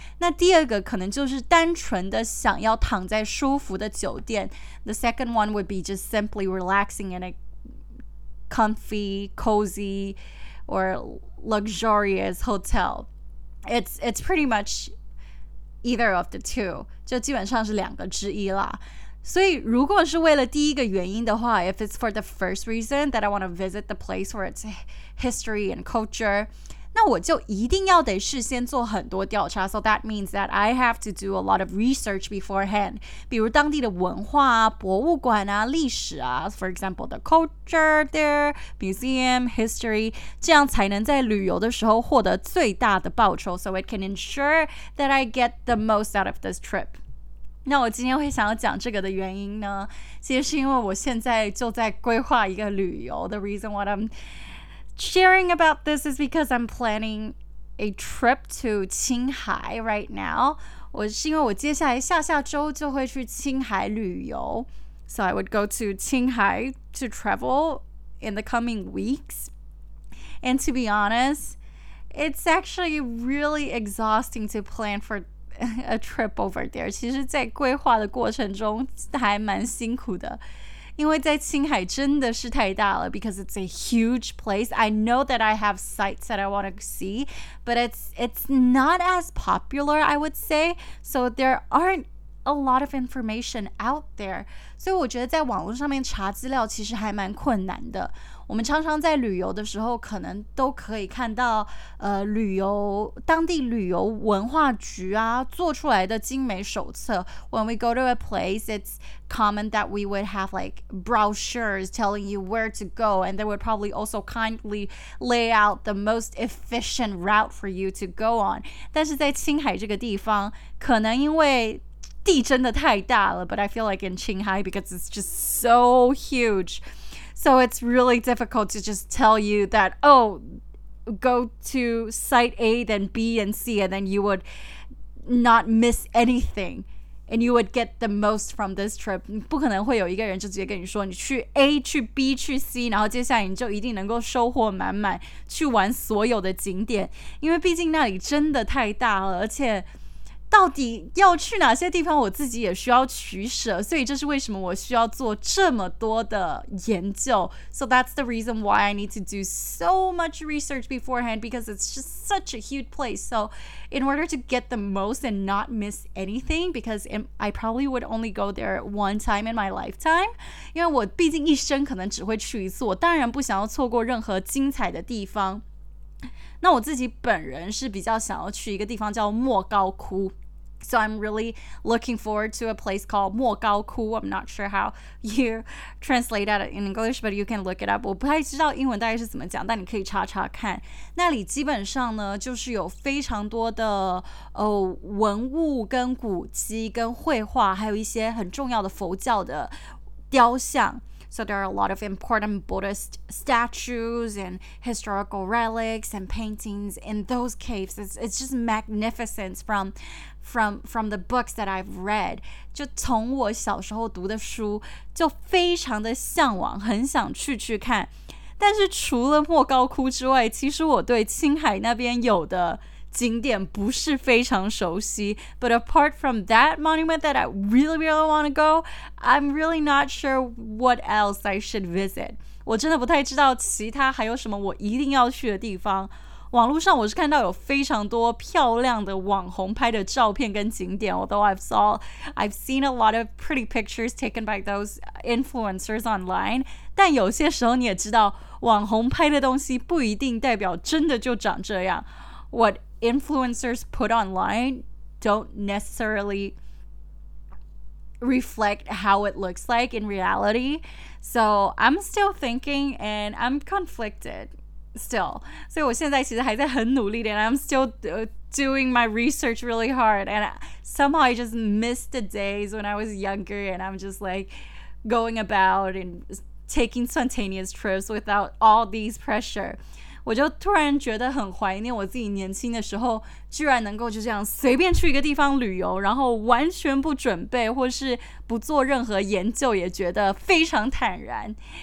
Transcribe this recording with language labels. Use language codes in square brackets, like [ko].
[zh] 那第二个可能就是单纯的想要躺在舒服的酒店。 [en] The second one would be just simply relaxing in a comfy, cozy or luxurious hotel. It's pretty muchEither of the two, [zh] 就基本上是两个之一啦。所以如果是为了第一个原因的话， [en] if it's for the first reason that I want to visit the place where it's history and culture, [zh] 那我就一定要得事先做很多调查。 [en] So that means that I have to do a lot of research beforehand, [zh] 比如当地的文化啊，博物馆啊，历史啊， [en] for example, the culture there, museum, history, [zh] 这样才能在旅游的时候获得最大的报酬。 [en] So it can ensure that I get the most out of this trip. [zh] 那我今天会想要讲这个的原因呢，其实是因为我现在就在规划一个旅游。 [en] The reason why I'm sharing about this is because I'm planning a trip to Qinghai right now. [zh] 我是因为我接下来下下周就会去青海旅游。 [en] So I would go to Qinghai to travel in the coming weeks. And to be honest, it's actually really exhausting to plan for a trip over there. [zh] 其实在规划的过程中还蛮辛苦的。因为在青海真的是太大了， [en] because it's a huge place. I know that I have sites that I want to see, but it's not as popular, I would say. So there aren't a lot of information out there. [zh] 所以我觉得在网络上面查资料其实还蛮困难的。我们常常在旅游的时候可能都可以看到旅游当地旅游文化局啊做出来的精美手册。 [en] When we go to a place, it's common that we would have like brochures telling you where to go, and they would probably also kindly lay out the most efficient route for you to go on. [zh] 但是在青海这个地方可能因为地真的太大了 [en] but I feel like in Qinghai because it's just so huge, so it's really difficult to just tell you that, oh, go to site A, then B and C, and then you would not miss anything, and you would get the most from this trip. [zh] 不可能会有一个人就直接跟你说你去 A, 去 B, 去 C, 然后接下来你就一定能够收获满满去玩所有的景点，因为毕竟那里真的太大了，而且到底要去哪些地方我自己也需要取舍，所以这是为什么我需要做这么多的研究。 [en] So that's the reason why I need to do so much research beforehand, because it's just such a huge place. So in order to get the most and not miss anything, because I probably would only go there one time in my lifetime, [zh] 因为我毕竟一生可能只会去一次，我当然不想要错过任何精彩的地方。那我自己本人是比较想要去一个地方叫莫高窟。 [en] So I'm really looking forward to a place called 莫高窟. I'm not sure how you translate that in English, but you can look it up. [zh] 我不太知道英文大概是怎么讲，但你可以查查看。那里基本上呢，就是有非常多的文物跟古迹跟绘画，还有一些很重要的佛教的雕像。 [en] So there are a lot of important Buddhist statues and historical relics and paintings in those caves. It's just magnificent from the books that I've read. [zh] 就从我小时候读的书，就非常的向往，很想去看。但是除了莫高窟之外，其实我对青海那边有的景点不是非常熟悉。 [en] But apart from that monument that I really really want to go, I'm really not sure what else I should visit. [zh] 我真的不太知道其他还有什么我一定要去的地方。网络上我是看到有非常多漂亮的网红拍的照片跟景点， [en] although I've seen a lot of pretty pictures taken by those influencers online. [zh] 但有些时候你也知道，网红拍的东西不一定代表真的就长这样。 [en] What influencers put online don't necessarily reflect how it looks like in reality. So I'm still thinking and I'm conflicted still. So [zh] 我现在其实还在很努力的， [en] and I'm still doing my research really hard. And somehow I just missed the days when I was younger and I'm just like going about and taking spontaneous trips without all these pressure. [zh] 我就突然觉得很怀念我自己年轻的时候，居然能够就这样随便去一个地方旅游，然后完全不准备或是不做任何研究，也觉得非常坦然。